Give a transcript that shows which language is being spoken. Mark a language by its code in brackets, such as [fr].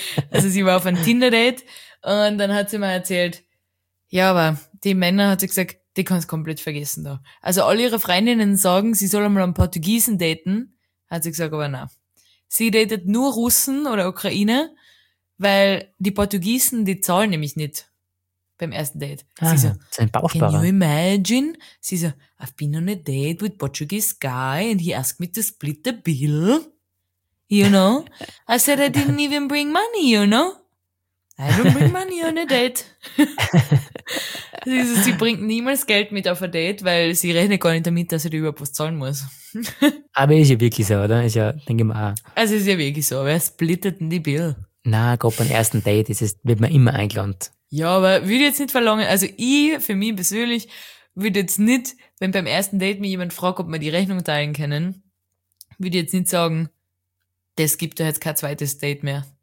[de] Also sie war auf einem Tinder date und dann hat sie mir erzählt, ja, aber die Männer, hat sie gesagt, die kannst du komplett vergessen da. Also alle ihre Freundinnen sagen, sie soll einmal einen Portugiesen daten, hat sie gesagt, aber nein. Sie datet nur Russen oder Ukrainer, weil die Portugiesen, die zahlen nämlich nicht beim ersten Date. Sie so, sein Bauchsparer. [en] Can you imagine? [de] Sie so, [en] I've been on a date with Portuguese guy and he asked me to split the bill. You know? I said I didn't even bring money, you know? I don't bring money on a date. [de] Sie, so, sie bringt niemals Geld mit auf ein Date, weil sie rechnet gar nicht damit, dass sie dir überhaupt was zahlen muss. Aber ist ja wirklich so, oder? Ist ja, denke ich mal auch. Also ist ja wirklich so, wer splittet denn die Bill? Nein, gerade beim ersten Date ist es, wird man immer eingeladen. Ja, aber würde jetzt nicht verlangen, also ich, für mich persönlich, würde jetzt nicht, wenn beim ersten Date mich jemand fragt, ob wir die Rechnung teilen können, würde jetzt nicht sagen, das gibt doch jetzt kein zweites Date mehr.